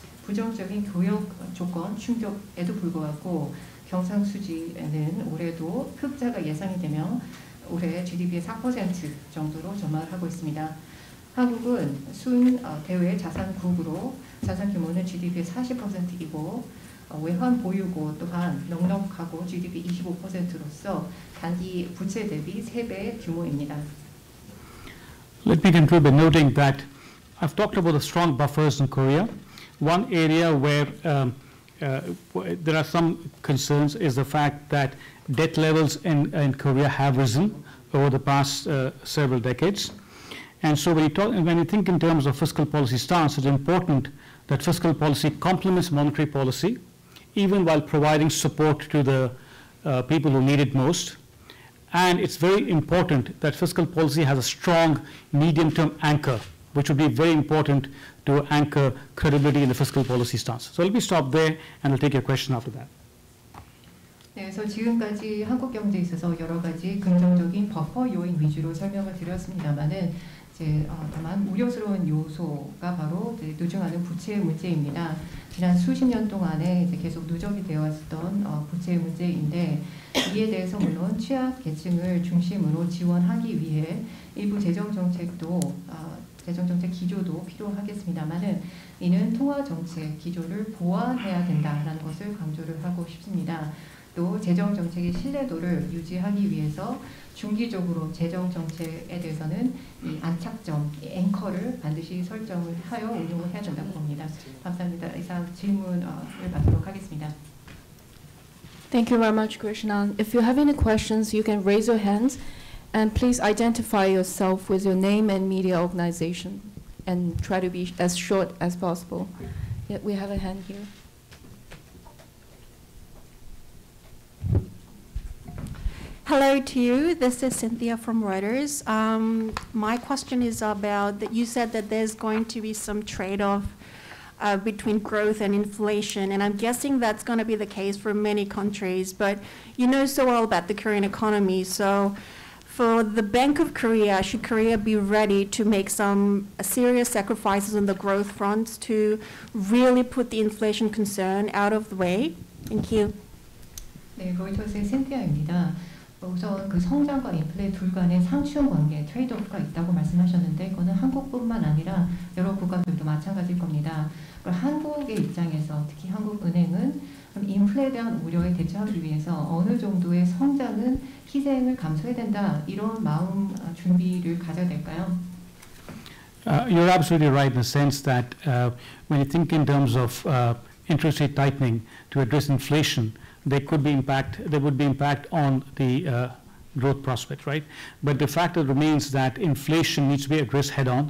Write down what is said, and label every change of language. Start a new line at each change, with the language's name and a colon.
Korean: 부정적인 교역 조건 충격에도 불구하고 경상수지에는 올해도 흑자가 예상이 되며 올해 GDP의 4% 정도로 전망을 하고 있습니다. 한국은 순 대외 자산국으로 자산 규모는 GDP의 40%이고 외환 보유고 또한 넉넉하고 GDP 25%로서 단기 부채 대비 3배 규모입니다.
English: Let me conclude by noting that I've talked about the strong buffers in Korea. One area where there are some concerns is the fact that debt levels in Korea have risen over the past several decades. And so when you think in terms of fiscal policy stance, it's important that fiscal policy complements monetary policy, even while providing support to the people who need it most. And it's very important that fiscal policy has a strong medium-term anchor, which would be very important to anchor credibility in the fiscal policy stance. So let me stop there, and I'll take your question after that.
Korean: 네, 그래서 지금까지 한국 경제에 있어서 여러 가지 긍정적인 버퍼 요인 위주로 설명을 드렸습니다만은 이제 다만 우려스러운 요소가 바로 이제 누증하는 부채 문제입니다. 지난 수십 년 동안에 이제 계속 누적이 되어왔던 부채 문제인데 이에 대해서 물론 취약 계층을 중심으로 지원하기 위해 일부 재정 정책도 재정정책 기조도 필요하겠습니다만은 이는 통화정책 기조를 보완해야 된다라는 것을 강조를 하고 싶습니다. 또 재정정책의 신뢰도를 유지하기 위해서 중기적으로 재정정책에 대해서는 이 안착점, 이 앵커를 반드시 설정을 하여 운용을 해야 된다고 봅니다. 감사합니다. 이상 질문을 받도록 하겠습니다.
English: Thank you very much, Krishna. If you have any questions, you can raise your hands. And please identify yourself with your name and media organization and try to be as short as possible. Yeah, we have a hand here. Hello to you. This is Cynthia from Reuters. My question is about that you said that there's going to be some trade-off between growth and inflation, and I'm guessing that's going to be the case for many countries, but you know so well about the Korean economy, so for the Bank of Korea, should Korea be ready to make some serious sacrifices on the growth front to really put the inflation concern out of the way? Thank you.
Korean: 네, 로이터스의 센티아입니다. 우선 그 성장과 인플레 둘 간의 상충 관계, 트레이드오프가 있다고 말씀하셨는데 그거는 한국뿐만 아니라 여러 국가들도 마찬가지일 겁니다. 한국의 입장에서 특히 한국은행은 인플레에 대한 우려에 대처하기 위해서 어느 정도의 성장은 희생을 감수해야 된다 이런 마음 준비를 가져야 될까요?
English: You're absolutely right in the sense that when you think in terms of interest rate tightening to address inflation, there could be impact. There would be impact on the growth prospects, right? But the fact that remains that inflation needs to be addressed head-on.